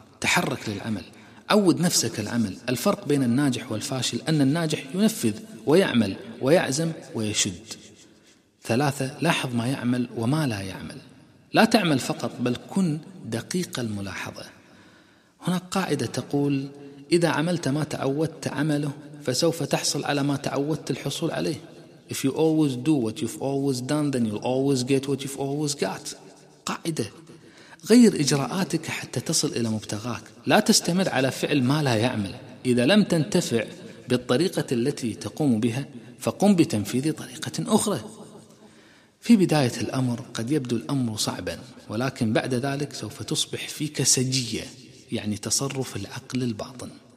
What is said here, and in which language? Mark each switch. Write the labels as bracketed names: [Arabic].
[Arabic] تحرك للعمل، عود نفسك العمل. الفرق بين الناجح والفاشل أن الناجح ينفذ ويعمل ويعزم ويشد. 3. لاحظ ما يعمل وما لا يعمل. لا تعمل فقط، بل كن دقيق الملاحظة. هناك قاعدة تقول: إذا عملت ما تعودت عمله فسوف تحصل على ما تعودت الحصول عليه. [English] If you always do what you've always done, then you'll always get what you've always got. [Arabic] قاعدة. غير إجراءاتك حتى تصل إلى مبتغاك. لا تستمر على فعل ما لا يعمل. إذا لم تنتفع بالطريقة التي تقوم بها فقم بتنفيذ طريقة أخرى. في بداية الأمر قد يبدو الأمر صعبا، ولكن بعد ذلك سوف تصبح فيك سجية، يعني تصرف العقل الباطن.